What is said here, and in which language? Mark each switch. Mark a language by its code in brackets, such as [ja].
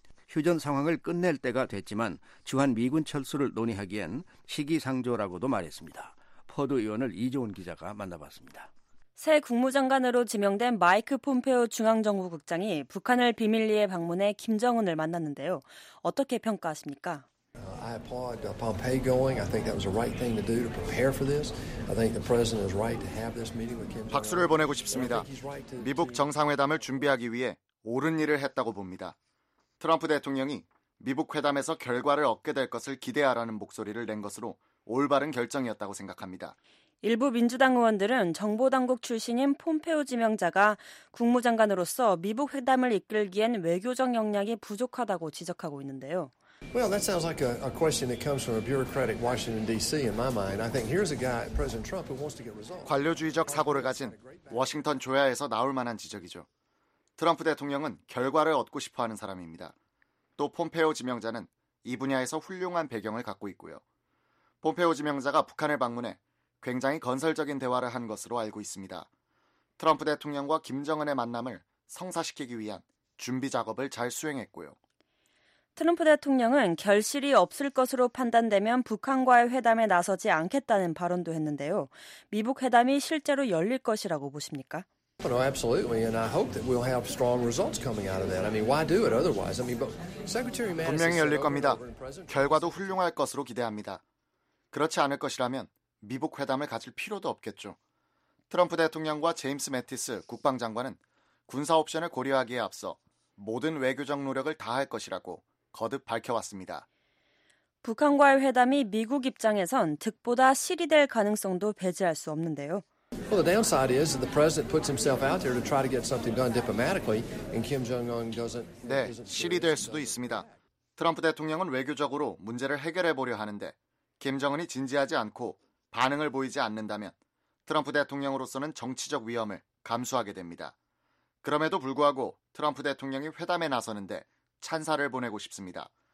[ko] 휴전 상황을 끝낼 때가 됐지만 주한 미군 철수를 논의하기엔 시기상조라고도 말했습니다. 퍼드 의원을 이재훈 기자가 만나봤습니다. 새 국무장관으로 지명된 마이크 폼페오 중앙정보국장이 북한을 비밀리에 방문해 김정은을 만났는데요. 어떻게 평가하십니까? [en] I applaud Pompeo going. I think that was the right thing to do to prepare for this. I think the president is right to have this meeting with Kim Jong-un. [ko] 박수를 보내고 싶습니다. 미북 정상회담을 준비하기 위해 옳은 일을 했다고 봅니다. 트럼프 대통령이 미북 회담에서 결과를 얻게 될 것을 기대하라는 목소리를 낸 것으로 올바른 결정이었다고 생각합니다. 일부 민주당 의원들은 정보당국 출신인 폼페오 지명자가 국무장관으로서 미북 회담을 이끌기엔 외교적 역량이 부족하다고 지적하고 있는데요. [en] Well, that sounds like a question that comes from a bureaucratic Washington D.C. in my mind. I think here's a guy, President Trump, who wants to get results. [ko] 관료주의적 사고를 가진 워싱턴 조야에서 나올 만한 지적이죠. 트럼프 대통령은 결과를 얻고 싶어하는 사람입니다. 또 폼페오 지명자는 이 분야에서 훌륭한 배경을 갖고 있고요. 폼페오 지명자가 북한을 방문해 굉장히 건설적인 대화를 한 것으로 알고 있습니다. 트럼프 대통령과 김정은의 만남을 성사시키기 위한 준비 작업을 잘 수행했고요. 트럼프 대통령은 결실이 없을 것으로 판단되면 북한과의 회담에 나서지 않겠다는 발언도 했는데요. 미북 회담이 실제로 열릴 것이라고 보십니까? [en] No, absolutely, and I hope that we'll have strong results coming out of that. I mean, why do it otherwise? I mean, but Secretary Mattis [ko] 분명히 열릴 겁니다. 결과도 훌륭할 것으로 기대합니다. 그렇지 않을 것이라면 미북 회담을 가질 필요도 없겠죠. 트럼프 대통령과 제임스 매티스 국방장관은 군사 옵션을 고려하기에 앞서 모든 외교적 노력을 다할 것이라고 거듭 밝혀왔습니다. 북한과의 회담이 미국 입장에선 득보다 실이 될 가능성도 배제할 수 없는데요. [en] Well, the downside is that the president puts himself out there to try to get something done diplomatically, and Kim Jong-un doesn't. [ko] 네, 실이 될 수도 있습니다. 트럼프 대통령은 외교적으로 문제를 해결해 보려 하는데 김정은이 진지하지 않고 반응을 보이지 않는다면 트럼프 대통령으로서는 정치적 위험을 감수하게 됩니다. 그럼에도 불구하고 트럼프 대통령이 회담에 나서는데 찬사를 보내고 싶습니다.